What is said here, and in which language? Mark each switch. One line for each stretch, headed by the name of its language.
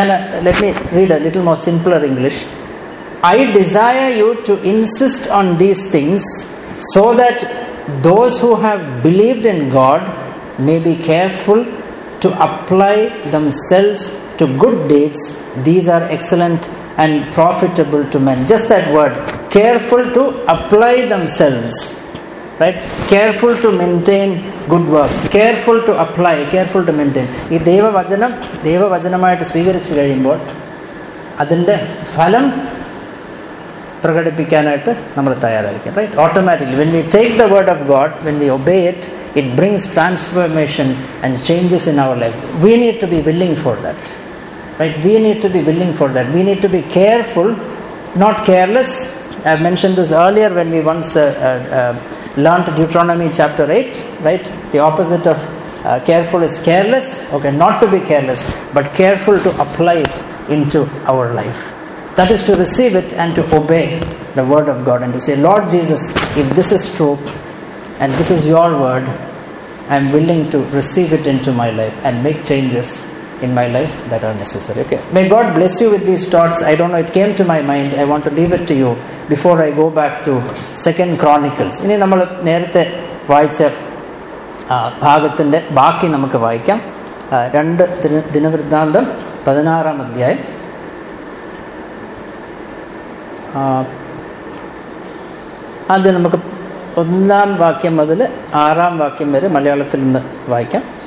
English: Now let me read a little more simpler English. I desire you to insist on these things so that those who have believed in God may be careful to apply themselves to good deeds. These are excellent and profitable to men. Just that word, careful to apply themselves, right? Careful to maintain good works. Careful to apply, careful to maintain.
Malayalam: ഈ ദൈവവചനം ദൈവവചനമായിട്ട് സ്വീകരിച്ചു കഴിയുമ്പോൾ അതിൻ്റെ ഫലം പ്രകടിപ്പിക്കാനായിട്ട് നമ്മൾ തയ്യാറായിരിക്കും, right?
English: Automatically, when we take the word of God, when we obey it, it brings transformation and changes in our life. We need to be willing for that. Right, we need to be willing for that. We need to be careful, not careless. I've mentioned this earlier when we once learnt Deuteronomy chapter 8, right? The opposite of careful is careless. Okay, not to be careless, but careful to apply it into our life. That is to receive it and to obey the word of God and to say, Lord Jesus, if this is true and this is your word, I'm willing to receive it into my life and make changes in my life that are necessary. Okay. May God bless you with these thoughts. I don't know, it came to my mind. I want to leave it to you before I go back to 2 Chronicles.
Malayalam: ഇനി നമ്മൾ നേരത്തെ വായിച്ച ഭാഗത്തിൻ്റെ ബാക്കി നമുക്ക് വായിക്കാം. രണ്ട് ദിനവൃത്താന്തം 16 അധ്യായം. ആദ്യം നമുക്ക് 1 വാക്യം മുതൽ 6 വാക്യം വരെ മലയാളത്തിൽ നിന്ന് വായിക്കാം.